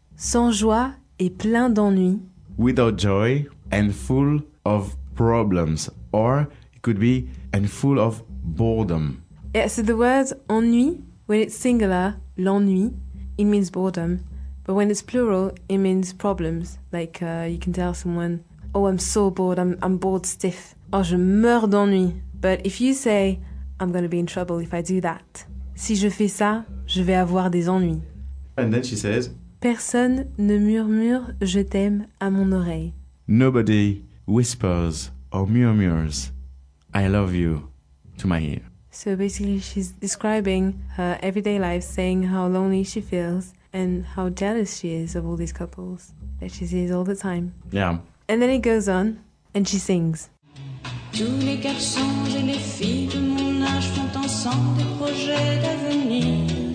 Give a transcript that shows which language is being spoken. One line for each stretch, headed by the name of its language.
French: Sans joie et plein d'ennui.
English: Without joy and full of problems. Or it could be and full of boredom. Yeah, so the word ennui, when it's singular, l'ennui, it means boredom. But when it's plural, it means problems. Like you can tell someone, oh, I'm so bored, I'm bored stiff. Oh, je meurs d'ennui. But if you say, I'm going to be in trouble if I do that.
French: Si je fais ça, je vais avoir des ennuis.
English: And then she says,
French: personne ne murmure « je t'aime » à mon oreille.
English: Nobody whispers or murmurs « I love you » to my ear. So basically she's describing her everyday life, saying how lonely she feels and how jealous she is of all these couples that she sees all the time. Yeah. And then it goes on and she sings.
French: Tous les garçons et les filles de mon âge font ensemble des projets d'avenir.